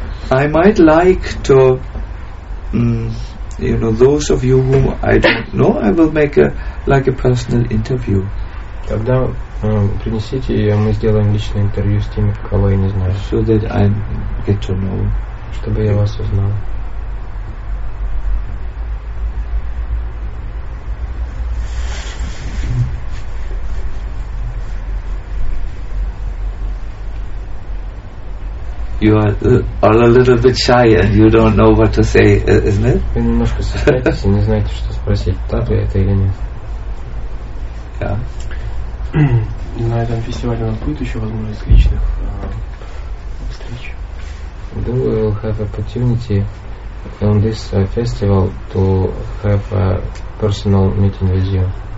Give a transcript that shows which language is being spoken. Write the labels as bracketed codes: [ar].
[en] I might like to, those of you whom I don't know, I will make a personal interview. [ru] Тогда принесите, и мы сделаем личное интервью с теми, кого я не знаю. So that I get to know. Чтобы я вас узнал. [en] You are a little bit shy and you don't know what to say, isn't it? [ru] Вы немножко стесняетесь и не знаете, что спросить, так ли это или нет. [en] Yeah. [ru] На этом фестивале у нас будет еще возможность личных встреч. [en] Do we will have opportunity on this festival to have a personal meeting with you?